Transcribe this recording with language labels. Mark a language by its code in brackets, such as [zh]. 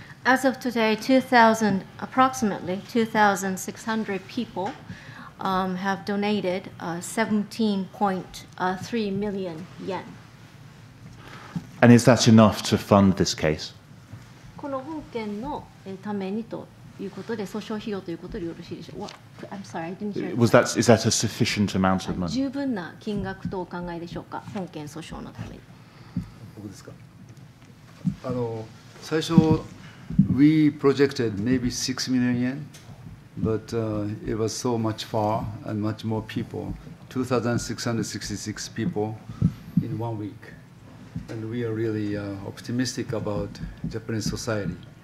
[en] As of today, 2,000, approximately 2,600 people have donated 17.3 million yen. And is that enough to fund this case? [ja] この本件のためにということで、訴訟費用ということでよろしいでしょうか? [en] I'm sorry, I didn't hear it. Is that a sufficient amount of money? [ja] 十分な金額とお考えでしょうか、本件訴訟のために。僕ですか。最初、 [en] We projected maybe 6 million yen, but it was so much far and much more people, 2,666 people in 1 week. And we are really optimistic about Japanese society.